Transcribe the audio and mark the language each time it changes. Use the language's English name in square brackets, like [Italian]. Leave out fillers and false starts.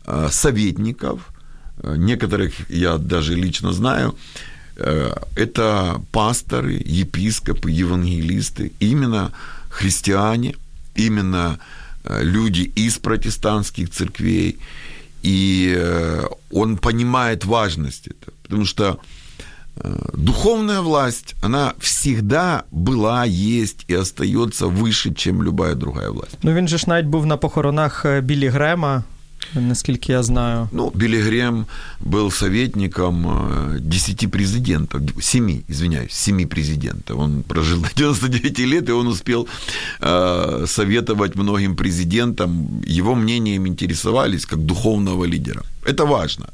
[Russian] советников, некоторых я даже лично знаю, это пасторы, епископы, евангелисты, именно христиане, именно люди из протестантских церквей, и он понимает важность этого, потому что духовная власть, она всегда была, есть и остается выше, чем любая другая власть. [Ukrainian] Ну, він же ж навіть був на похоронах Біллі Грема, наскільки я знаю. Ну, Біллі Грем був советником 10 президентів, 7, извиняюсь, 7 президентів. Він прожив до 99 лет, і він [Russian] успел советовать многим президентам. Його мнением интересовались как духовного лидера. Это важно.